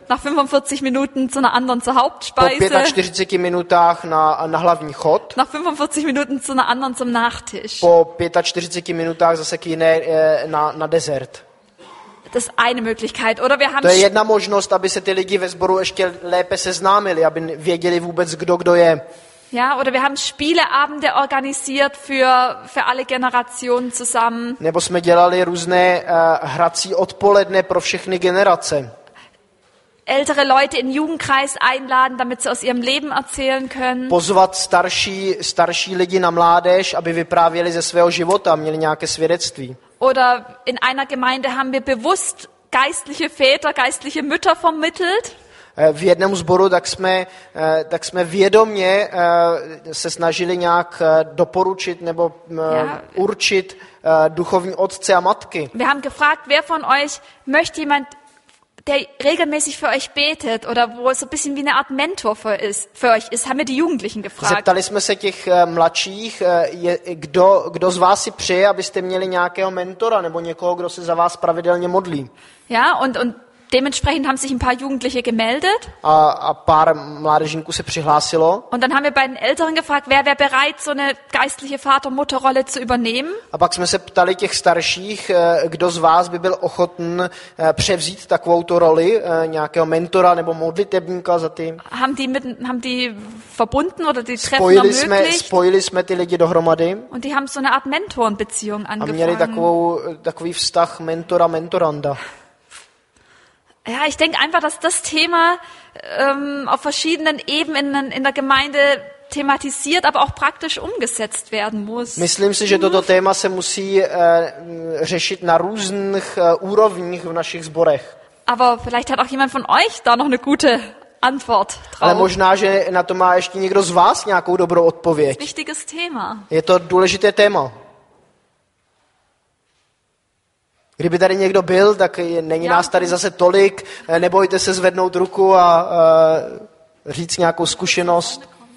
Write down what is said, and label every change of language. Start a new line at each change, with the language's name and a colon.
German: Nach 45 Minuten zu einer anderen zur Hauptspeise.
Czech: Po 45 minutách na hlavní chod.
German: Nach 45 Minuten zu einer anderen zum Nachtisch.
Czech: Po 45 minutách zase k jiné na desert.
German: Das ist eine Möglichkeit, oder wir haben.
Czech: To je jedna možnost, aby se ty lidi ve sboru ještě lépe seznámili, aby věděli vůbec, kdo je.
German: Ja, oder wir haben Spieleabende organisiert für alle Generationen zusammen.
Czech: Nebo jsme dělali různé hrací odpoledne pro všechny generace.
German: Ältere Leute in Jugendkreis einladen, damit sie aus ihrem Leben erzählen können.
Czech: Pozvat starší lidi na mládež, aby vyprávěli ze svého života, měli nějaké svědectví.
German: Oder in einer Gemeinde haben wir bewusst geistliche Väter, geistliche Mütter vermittelt.
Czech: V jednom sboru tak jsme vědomě se snažili nějak doporučit nebo určit duchovní otce a matky.
German: Wir haben gefragt, wer von euch möchte jemand, der regelmäßig für euch betet oder wo so ein bisschen wie eine Art Mentor für euch ist, haben wir die Jugendlichen gefragt.
Czech: Zeptali jsme se těch mladších, kdo z vás si přeje, abyste měli nějakého mentora nebo někoho, kdo se za vás pravidelně modlí.
German: Ja, und dementsprechend haben sich ein paar Jugendliche gemeldet.
Czech: A pár mládežníků se přihlásilo.
German: Und dann haben wir bei den Älteren gefragt, wer wäre bereit, so eine geistliche Vater-Mutter-Rolle zu übernehmen.
Czech: A pak jsme se ptali těch starších, kdo z vás by byl ochoten převzít takovou tu roli nějakého mentora nebo modlitebníka za ty.
German: Haben die verbunden oder die Treffen ermöglicht?
Czech: Spojili jsme ty lidi dohromady.
German: Und die haben so eine Art Mentoren-Beziehung angefangen.
Czech: A měli takový vztah mentora-mentoranda.
German: Ja, ich denke einfach, dass das Thema auf verschiedenen Ebenen in der Gemeinde thematisiert, aber auch praktisch umgesetzt werden muss.
Czech: Myslím si, že toto téma se musí řešit na různých úrovních v našich sborech.
German: Aber vielleicht hat auch jemand von euch da noch eine gute Antwort drauf.
Czech: Ale možná, že na to má ještě někdo z vás nějakou dobrou odpověď.
German: Wichtiges Thema.
Czech: Je to důležité téma. Kdyby tady někdo byl, tak není nás tady zase tolik. Nebojte se zvednout ruku a říct nějakou zkušenost.